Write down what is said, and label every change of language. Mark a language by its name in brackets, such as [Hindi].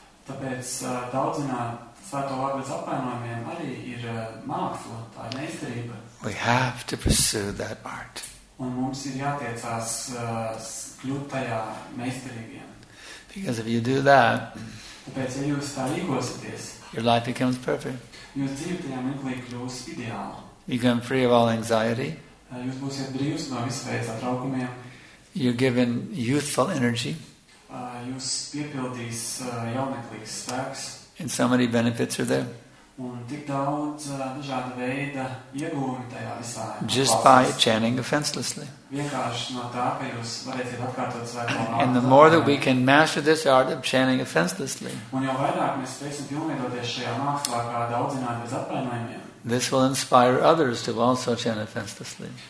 [Latvian] Tāpēc daudzināt svēto vārdu bez apvainojumiem arī ir māksla, tā ir meistarība. [English] We have to pursue that art. [Latvian] Un mums ir jātiecās kļūt tajā meistarīgiem. [English] Because if you do that, [Latvian] tāpēc, ja jūs tā rīkosities, [English] your life becomes perfect. [Latvian] Jūs dzīve tajā meklī kļūs ideāli. [English] You become free of all anxiety. [Latvian] Jūs būsiet brīvs no visu veidu satraukumiem. [English] You're given youthful energy. [Latvian] Jūs piepildīs jauneklīgs spēks. [English] And so many benefits are there. [Latvian] Un tik daudz dažāda veida iegūmi tajā visā. [English] Just by chanting offenselessly. [Latvian] Vienkārši no tā, ka jūs varētu atkārtot svēto vārdu. [English] And the more that we can master this art of chanting offenselessly. [Latvian] Un jau vairāk mēs spēsim pilnveidoties šajā mākslā kā daudzināt bez apvainojumiem. [English] This will inspire others to also chant offenselessly.